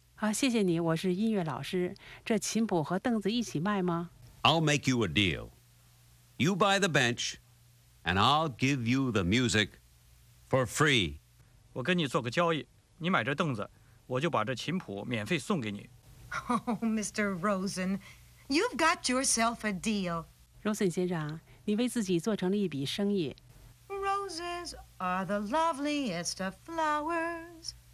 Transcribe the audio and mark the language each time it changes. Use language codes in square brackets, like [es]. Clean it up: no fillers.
[zh] 好，谢谢你，我是音乐老师。这琴谱和凳子一起卖吗 [en] ？I'll make you a deal. You buy the bench, and I'll give you the music for free. [zh] 我跟你做个交易，你买这凳子，我就把这琴谱免费送给你。 [en] Oh, Mr. Rosen, you've got yourself a deal. [zh] Rosen 先生，你为自己做成了一笔生意。 [en] Roses are the loveliest of flowers.